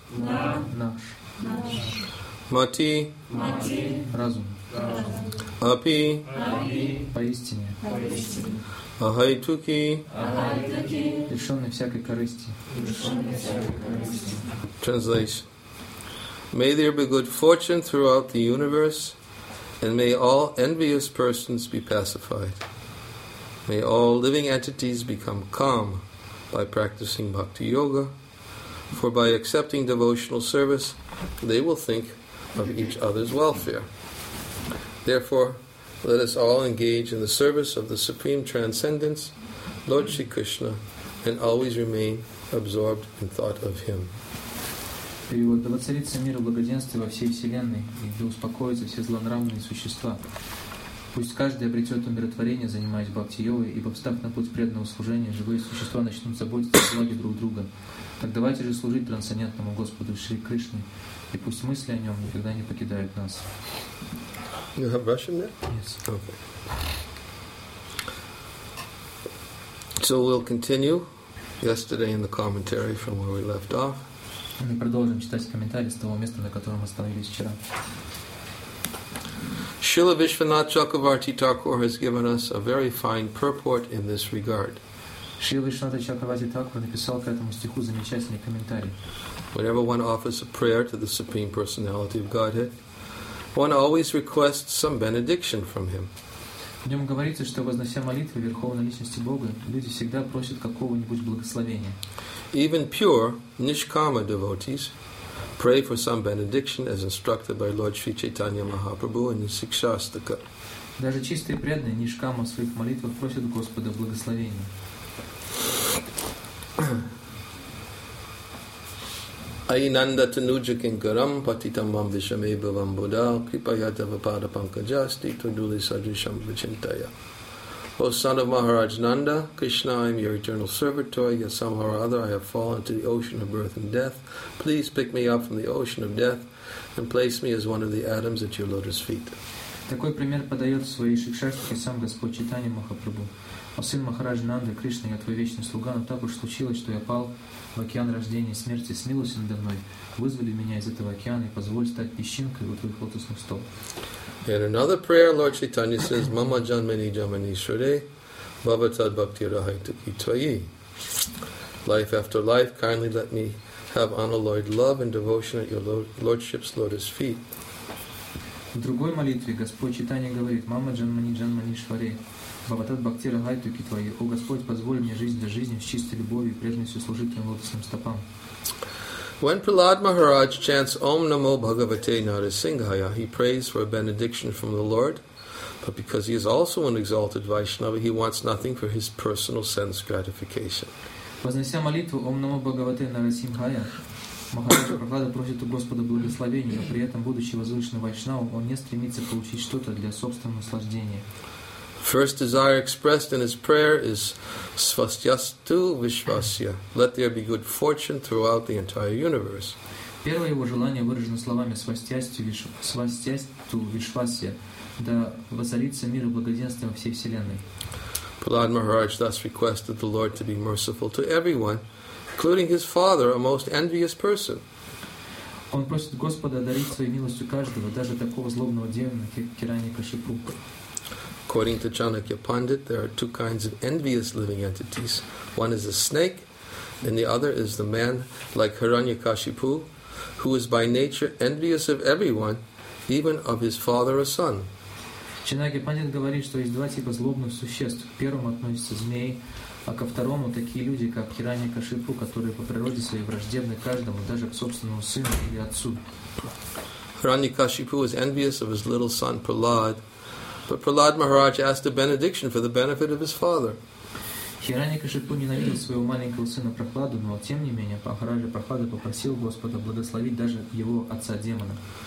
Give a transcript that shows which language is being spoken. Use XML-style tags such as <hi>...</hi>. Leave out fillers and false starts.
<ru>На. Наш. Наш. Мати. Мати. Разум.</ru> <sa>Апи. Апи.</sa> <ru>Поистине. Поистине.</ru> <sa>Ахайтуки. Ахайтуки.</sa> <ru>Лишенный всякой корысти. Лишенный всякой корысти.</ru> <en>Translation. May there be good fortune throughout the universe, and may all envious persons be pacified. May all living entities become calm by practicing bhakti yoga, for by accepting devotional service, they will think of each other's welfare. Therefore, let us all engage in the service of the Supreme Transcendence, Lord Shri Krishna, and always remain absorbed in thought of Him.</en> <ru>Перевод. Да воцарится мир и благоденствие во всей Вселенной, и да успокоятся все злонравные существа. Пусть каждый обретет умиротворение, занимаясь бхакти-йогой, ибо, встав на путь преданного служения, живые существа начнут заботиться о благе друг друга. Так давайте же служить трансцендентному Господу Шри Кришне, и пусть мысли о Нем никогда не покидают нас.</ru> <en>You have Russian there? Yes. Okay. So we'll continue yesterday in the commentary from where we left off.</en> <ru>Мы продолжим читать комментарий с того места, на котором мы остановились вчера.</ru> <en>Srila Vishwanath Chakravarti Thakur has given us a very fine purport in this regard.</en> <ru>Srila Vishwanath Chakravarti Thakur написал к этому стиху замечательный комментарий.</ru> <en>Whenever one offers a prayer to the Supreme Personality of Godhead, one always requests some benediction from Him.</en> <ru>В нем говорится, что вознося молитвы Верховной Личности Бога, люди всегда просят какого-нибудь благословения.</ru> <en>Even pure, nishkama devotees pray for some benediction as instructed by Lord Sri Chaitanya Mahaprabhu in his Sikshastaka.</en> <ru>Даже чистые преданные нишкама в своих молитвах просят Господа благословения.</ru> <sa>Айнанда тануджа кинкарам патитам вам вишаме бхавам буддха крипая тава пада панкаджасти тудули саджишам вичинтая.</sa> <en>O son of Maharaj Nanda, Krishna, I am your eternal servitor, yet somehow or other I have fallen to the ocean of birth and death. Please pick me up from the ocean of death and place me as one of the atoms at your lotus feet.</en> <ru>Такой пример подает в своей шикшастике сам Господь Чайтанья Махапрабху. О сын Махарадж Нанда, Кришна, я твой вечный слуга, но так уж случилось, что я пал в океан рождения и смерти, смилуйся надо мной, вызволи меня из этого океана и позволь стать песчинкой у твоих лотосных стоп.</ru> <en>In another prayer, Lord Chaitanya says,</en> <sa>Mama janmani jamani shure, bhavatad bhakti rahai tuki tvayi.</sa> <en>Life after life, kindly let me have unalloyed love and devotion at your lordship's lotus feet.</en> <ru>В другой молитве Господь Чайтанья говорит,</ru> <sa>Мама джанмани джанмани шваре, бхаватад бхакти рахай туки твои.</sa> <ru>О Господь, позволь мне жизнь для жизни с чистой любовью и преданностью служить твоим лотосным стопам.</ru> <en>When Prahlad Maharaj chants</en> <sa>Om Namo Bhagavate Narasingha,</sa> <en>he prays for a benediction from the Lord, but because he is also an exalted Vaishnava, he wants nothing for his personal sense gratification.</en> <ru>Вознося молитву</ru> <sa>Ом Намо Бхагавате Нарасингхая,</sa> <ru>Махарадж Прахлада просит у Господа благословения, но при этом, будучи возвышенным вайшнавом, он не стремится получить что-то для собственного наслаждения.</ru> <en>First desire expressed in his prayer is</en> <sa>Svastyastu Vishvasya.</sa> <en>Let there be good fortune throughout the entire universe.</en> <ru>Первое его желание выражено словами</ru> <sa>Svastyastu Vishvasya.</sa> <ru>Да воцарится мир и благоденствие во всей Вселенной.</ru> <en>Prahlad Maharaj thus requested the Lord to be merciful to everyone including his father, a most envious person.</en> <ru>Он просит Господа одарить своей милостью каждого, даже такого злобного демона, как Хираньякашипу.</ru> <en>According to Chanakya Pandit, there are two kinds of envious living entities. One is a snake, and the other is the man like Hiranyakashipu, who is by nature envious of everyone, even of his father or son.</en> <ru>Chanakya Pandit говорит, что есть два типа злобных существ. К первому относятся змеи, а ко второму такие люди, как Хиранья-Кашипу, которые по природе своей враждебны каждому, даже к собственному сыну или отцу.</ru> <en>Hiranyakashipu is envious of his little son Prahlad, but Prahlad Maharaj asked a benediction for the benefit of his father.</en> <ru>Хиранья-Кашипу ненавидел своего маленького сына Прохладу, но тем не менее Махараджа Прохлада попросил Господа благословить даже его отца-демона.</ru>